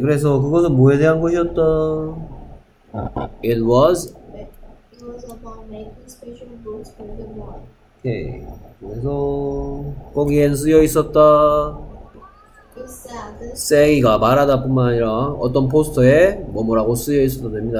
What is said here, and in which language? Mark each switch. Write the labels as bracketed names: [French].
[Korean] 그래서 그것은 뭐에 대한 것이었다? [English] It was. It was about making special books for the boy. [Korean] 오케이. 그래서 거기엔 쓰여 있었다. say가 말하다 뿐만 아니라 어떤 포스터에 뭐뭐라고 쓰여 있어도 됩니다.